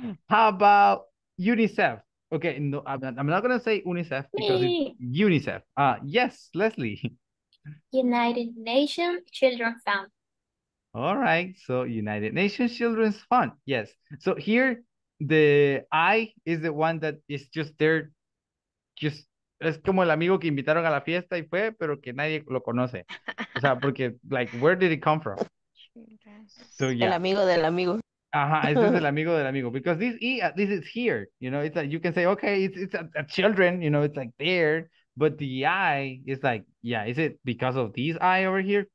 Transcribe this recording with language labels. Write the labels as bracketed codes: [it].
[en] How about UNICEF? Okay, no, I'm not going to say UNICEF because it's UNICEF. Yes, Leslie. United Nations Children's Fund. All right, so United Nations Children's Fund. Yes, so here the I is the one that is just there. [es] Es como el amigo que invitaron a la fiesta y fue, pero que nadie lo conoce. O sea, porque, [en] like, where did it come from? So, yeah. [es] El amigo del amigo. [en] This is [es] el amigo del amigo, [en] because this is here, you know, it's like, you can say, okay, it's a children, you know, it's like there, but the eye is like, yeah, is it because of this eye over here?